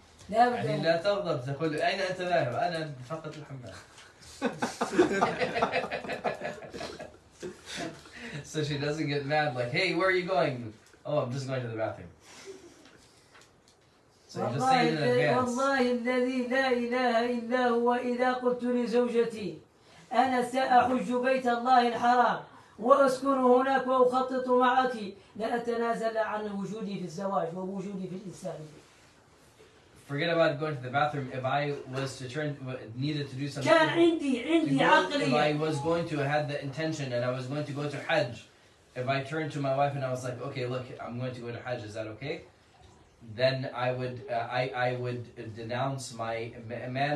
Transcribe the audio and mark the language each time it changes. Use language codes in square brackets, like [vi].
[ar] يعني لا تغضب تقول أين أنت ذاهب أنا فقط الحمام. [en] So she doesn't get mad like hey where are you going? Oh I'm just going to the bathroom. So you just say it in advance. [ar] والله الذي لا إله إلا هو إذا قلت لزوجتي أنا سأحج بيت الله الحرام وأسكن هناك وأخطط معك لأتنازل عن وجودي في الزواج ووجودي في الإنسان. [en] Forget about going to the bathroom. If I was to turn, needed to do something. [ar] كان عندي عندي عقلية. [en] If I was going to had the intention and I was going to go to Hajj, if I turned to my wife and I was like, okay, look, I'm going to go to Hajj. Is that okay? Then I would denounce my man.